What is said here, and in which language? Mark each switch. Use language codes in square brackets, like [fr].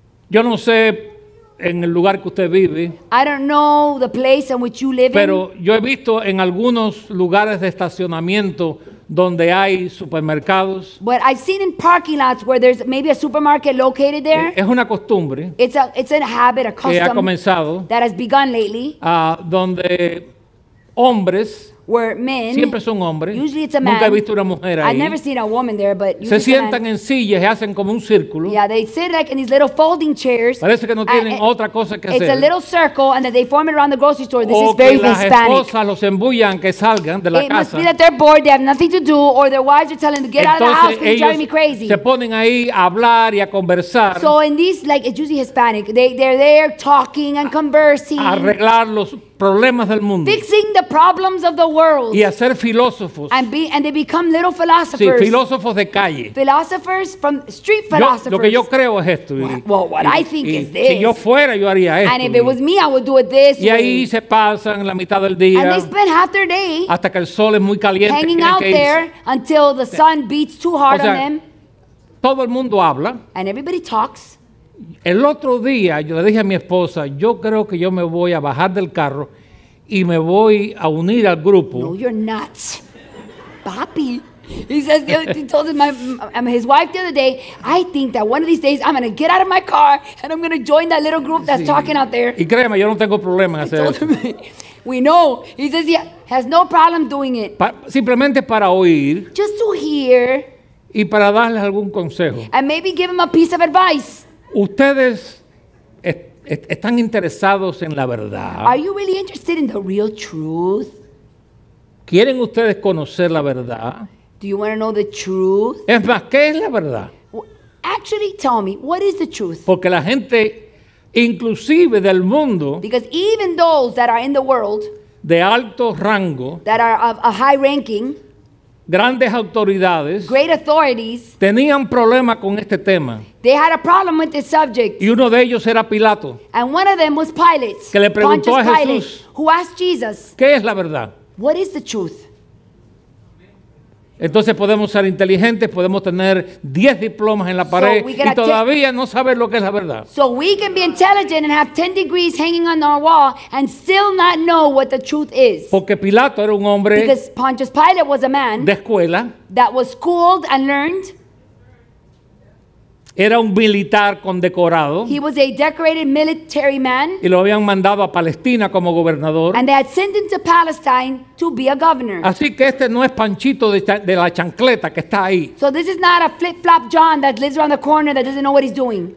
[es] Yo no sé en el lugar que usted vive. [en] I don't know the place in which you live. [es] Pero yo he visto en algunos lugares de estacionamiento donde hay supermercados. [en] But I've seen in parking lots where there's maybe a supermarket located there. [es] Es una costumbre. [en] It's a habit, a custom [es] que ha comenzado, [en] that has begun lately. [es] Donde hombres, [en] where men, [es] siempre son hombres. [en] Usually it's a man. [es] Nunca he visto una mujer ahí. [en] I've never seen a woman there, but [es] se sientan en sillas y hacen como un círculo. [en] Yeah, they sit like in these little folding chairs. [es] Parece que no tienen otra cosa que [en] it's [es] hacer. [en] It's a little circle and that they form it around the grocery store. This is very Hispanic. [es] Las esposas los embullan que salgan de la [en] it [es] casa. [en] It must be that they're bored, they have nothing to do, or their wives are telling them to get [es] entonces [en] out of the house because you're driving me crazy. [es] Se ponen ahí a hablar y a conversar. [en] So in these, like, it's usually Hispanic. They're there talking and conversing. [es] Arreglar los problemas del mundo. [en] Fixing the problems of the world. [es] Y hacer filósofos. [en] And they become little philosophers. [es] Sí, filósofos de calle. [en] Philosophers from street philosophers. [es] Lo que yo creo es esto. [en] What I think is this. [es] Si yo fuera, yo haría esto. [en] And if it was me, I would do it this [es] y [en] way. [es] Ahí se pasan la mitad del día. [en] And they spend half their day [es] hasta que el sol es muy caliente. [en] Hanging out there until the sun beats too hard [es] o sea, [en] on them. [es] Todo el mundo habla. [en] And everybody talks. [es] El otro día yo le dije a mi esposa, yo creo que yo me voy a bajar del carro y me voy a unir al grupo. [en] No, you're not, papi. He says he told his wife the other day, I think that one of these days I'm going to get out of my car and I'm going to join that little group that's sí. talking out there. [es] Y créeme, yo no tengo problema en hacer eso. [en] We know. He says he has no problem doing it. [es] Simplemente para oír. [en] Just to hear. [es] Y para darles algún consejo. [en] And maybe give him a piece of advice. [es] Ustedes están interesados en la verdad. [en] Are you really interested in the real truth? [es] ¿Quieren ustedes conocer la verdad? [en] Do you want to know the truth? [es] Es más, ¿qué es la verdad? [en] Actually, tell me, what is the truth? [es] Porque la gente, inclusive del mundo, [en] because even those that are in the world, [es] de alto rango, [en] that are of a high ranking, [es] grandes autoridades, [en] great authorities, [es] tenían problema con este tema. [en] They had a problem with this subject. [es] Y uno de ellos era Pilato. [en] And one of them was Pilate. [es] Que le preguntó a Jesús, [en] who asked Jesus, [es] ¿qué es la verdad? [en] What is the truth? [es] Entonces podemos ser inteligentes, podemos tener 10 diplomas en la pared y todavía no saber lo que es la verdad. [en] So we can be intelligent and have 10 degrees hanging on our wall and still not know what the truth is. [es] Porque Pilato era un hombre, [en] because Pontius Pilate was a man, [es] de escuela, [en] that was schooled and learned. [es] Era un militar condecorado. [en] He was a decorated military man. [es] Y lo habían mandado a Palestina como gobernador. [en] And they had sent him to Palestine to be a governor. [es] Así que este no es Panchito de la chancleta que está ahí. [en] So this is not a flip-flop John that lives around the corner that doesn't know what he's doing.